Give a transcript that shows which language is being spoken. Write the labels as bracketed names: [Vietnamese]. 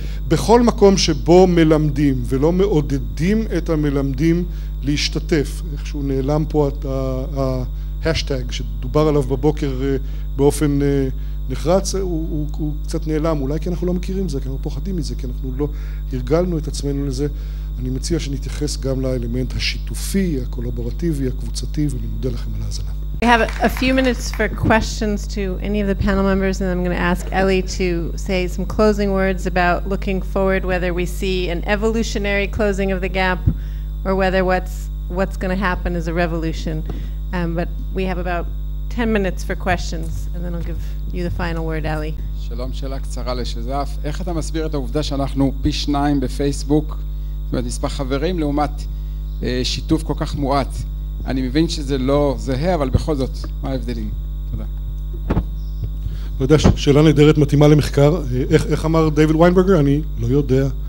[Hebrew] בכל מקום שבו מלמדים ולא מעודדים את המלמדים להשתתף, איכשהו נעלם פה את ההשטג שדובר עליו בבוקר באופן נחרץ, הוא קצת נעלם, אולי כי אנחנו לא מכירים זה, כי אנחנו פוחדים מזה, כי אנחנו לא הרגלנו את עצמנו לזה. אני מציע שנתייחס גם לאלמנט השיתופי, הקולבורטיבי, הקבוצתי, ואני מודה לכם על ההאזנה. [English] We have a few minutes for questions to any of the panel members, and I'm going to ask Ellie to say some closing words about looking forward, whether we see an evolutionary closing of the gap or whether what's going to happen is a revolution. But we have about 10 minutes for questions, and then I'll give you the final word, Ellie. [Hebrew] Shalom, שאלה קצרה לשזף. איך אתה מסביר את העובדה שאנחנו פי שניים בפייסבוק, זאת אומרת, נספח חברים, לעומת שיתוף כל כך מועט? אני מבין שזה לא זהה, אבל בכל זאת, מה ההבדלים? תודה. לא יודע, שאלה נהדרת מתאימה למחקר. איך אמר דייוויד ויינברגר? אני לא יודע.